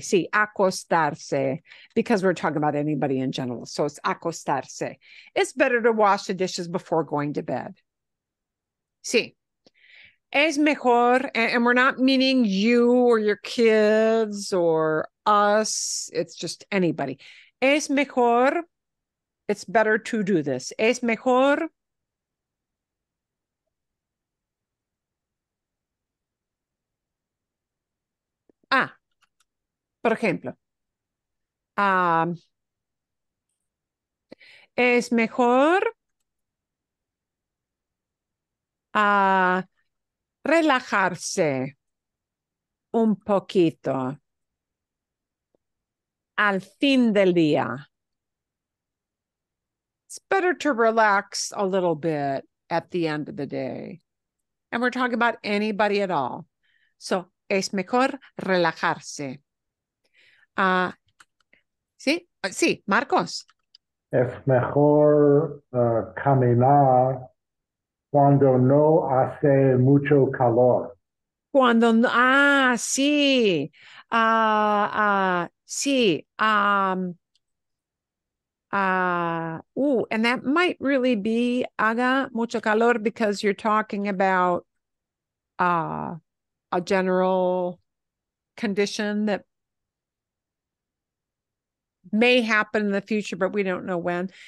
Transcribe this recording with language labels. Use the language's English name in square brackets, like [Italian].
[Spanish] Sí, acostarse, [English] because we're talking about anybody in general. So it's acostarse. It's better to wash the dishes before going to bed. Sí. [Spanish] Es mejor, [English] and we're not meaning you or your kids or us. It's just anybody. [Spanish] Es mejor, [English] it's better to do this. [Spanish] Es mejor por ejemplo, es mejor relajarse un poquito al fin del día. [English] It's better to relax a little bit at the end of the day. And we're talking about anybody at all. So, [Spanish] es mejor relajarse. Sí, Marcos. Es mejor caminar cuando no hace mucho calor. [English] And that might really be [Spanish] haga mucho calor [English] because you're talking about a general condition that may happen in the future, but we don't know when.